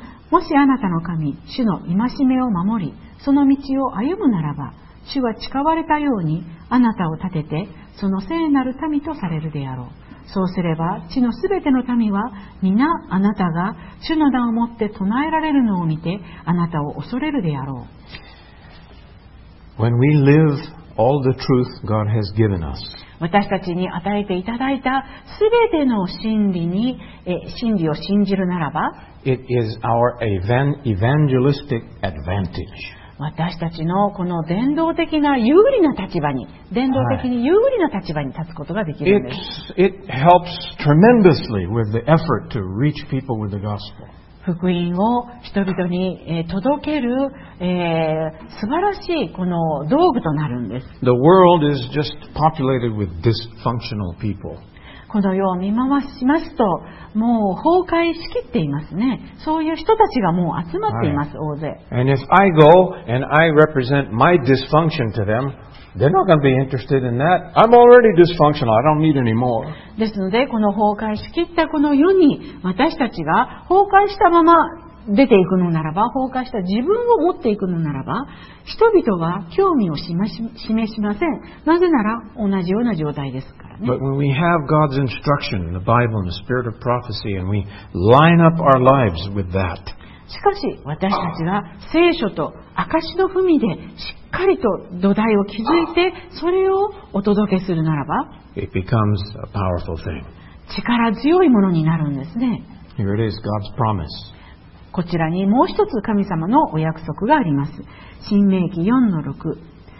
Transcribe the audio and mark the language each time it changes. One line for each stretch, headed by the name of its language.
Japanese: もしあなたの神、主の戒めを守り、その道を歩むならば、主は誓われたようにあなたを立てて、その聖なる民とされるであろう。そうすれば、地のすべての民は、皆あなたが主の名をもって唱えられるのを見て、あなたを恐れるであろう。
English: When we live all the truth God has given us,
Japanese: 私たちに与えていただいたすべての真理に、真理を信じるならば、
English: it is our evangelistic advantage.
Japanese: 私たちのこの伝道的な有利な立場に、伝道的に有利な立場に立つことができるんです。
English: It helps tremendously with the effort to reach people with the gospel.
Japanese: 福音を人々に届ける、素晴らしいこの道具となるんです。
English: The world is just populated with dysfunctional people.
Japanese: この世を見回しますと、もう崩壊しきっていますね。そういう人たちがもう集まっています、はい、大勢。
English: And if I go and I represent my dysfunction to them, they're not going to be interested in that. I'm already dysfunctional. I don't need any more.
Japanese: ですので、この崩壊しきったこの世に、私たちが崩壊したまま出ていくのならば、崩壊した自分を持っていくのならば、人々は興味を示しません。なぜなら同じような状態ですから。
English: But when we have God's instruction, the Bible and the spirit of prophecy, and we line up our lives with that,
Japanese: しかし私たちが聖書と証の踏みでしっかりと土台を築いて、それをお届けするならば、
English: it becomes a powerful thing.
Japanese: 力強いものになるんですね。
English: Here it is, God's promise.
Japanese: こちらにもう一つ神様のお約束があります。申命記 4-6。